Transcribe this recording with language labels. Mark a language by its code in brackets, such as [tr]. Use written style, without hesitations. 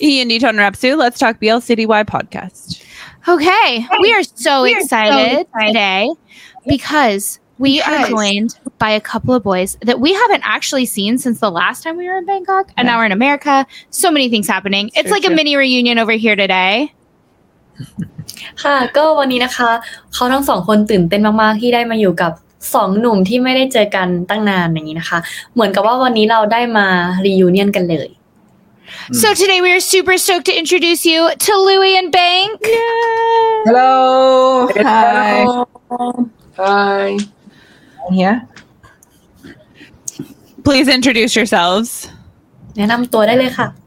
[en] Ian Neaton Rapsu, Let's Talk BL Citywide podcast. Okay. Hey, we are so excited today because we are joined by a couple of boys that we haven't actually seen since the last time we were in Bangkok. And now we're in America. So many things happening. It's like a mini reunion over here today. [th] ค่ะก็วันนี้นะคะเขาทั้งสองคนตื่นเต้นมากๆที่ได้มาอยู่กับสองหนุ่มที่ไม่ได้เจอกันตั้งนานอย่างนี้นะคะเหมือนกับว่าวันนี้เราได้มารียูเนียนกันเลย [en] So today we are super stoked to introduce you to Louis and Bank Yay! Hello Hi Hi I'm here Please introduce yourselves [th] แนะนำตัวได้เลยค่ะ